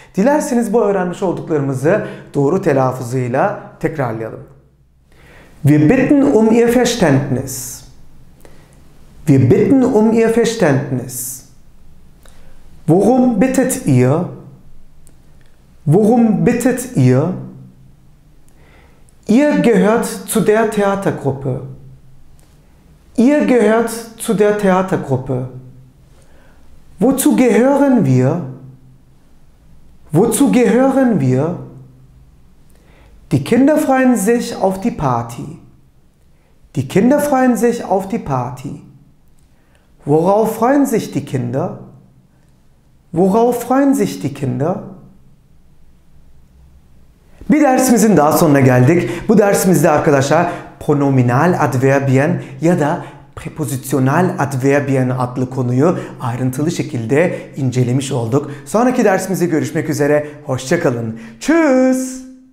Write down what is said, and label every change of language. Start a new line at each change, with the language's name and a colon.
Turkish: Dilerseniz bu öğrenmiş olduklarımızı doğru telaffuzuyla tekrarlayalım.
German: Wir bitten ihr Verständnis. Wir bitten ihr Verständnis. Worum bittet ihr? Worum bittet ihr? Ihr gehört zu der Theatergruppe. Ihr gehört zu der Theatergruppe. Wozu gehören wir? Wozu gehören wir? Die Kinder freuen sich auf die Party. Die Kinder freuen sich auf die Party. Worauf freuen sich die Kinder? Worauf freuen sich die Kinder?
Turkish: Bir dersimizin daha sonuna geldik. Bu dersimizde arkadaşlar pronominal adverbien ya da prepozisyonel adverbien adlı konuyu ayrıntılı şekilde incelemiş olduk. Sonraki dersimizde görüşmek üzere. Hoşça kalın. Tschüss.